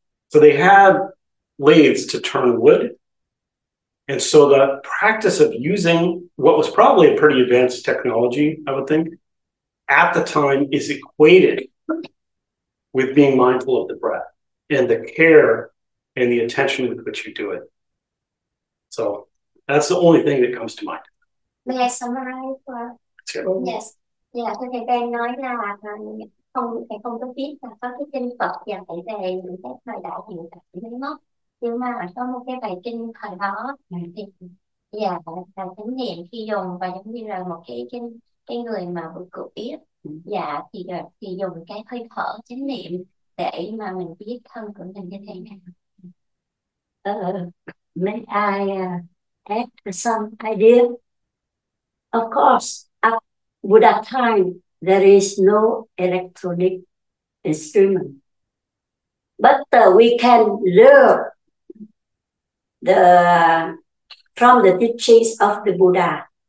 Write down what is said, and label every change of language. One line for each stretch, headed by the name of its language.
English: So they have lathes to turn wood. And so the practice of using what was probably a pretty advanced technology, I would think, at the time is equated with being mindful of the breath and the care and the attention with which you do it. So that's the only thing that comes to mind. May I summarize? Yes.
Vietnamese: Yeah, so thầy đang nói là thầy không có biết là có cái kinh Phật dạy về những cái thời đại hiện tại máy móc, nhưng mà có một cái bài kinh thời đó thì là chánh niệm khi dùng, và giống như là một cái người mà vừa cụ biết thì dùng cái hơi thở chánh niệm để mà mình biết thân của mình như thế nào.
English: May I add some idea? Of course, at Buddha time, there is no electronic instrument. But we can learn from the teachings of the Buddha.